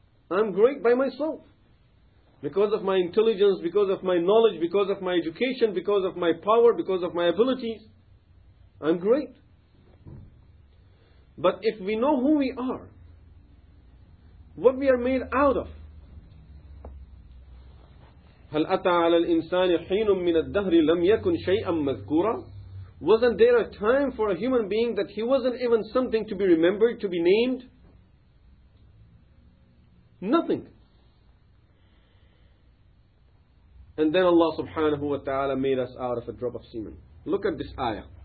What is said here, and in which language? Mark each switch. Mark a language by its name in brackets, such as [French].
[English] I'm great by myself. Because of my intelligence, because of my knowledge, because of my education, because of my power, because of my abilities, I'm great. But if we know who we are, what we are made out of, [Arabic] هل أتى على الإنسان حين من الدهر لم يكن شيئا مذكورا. [English] Wasn't there a time for a human being that he wasn't even something to be remembered, to be named? Nothing. And then Allah subhanahu wa ta'ala made us out of a drop of semen. Look at this ayah.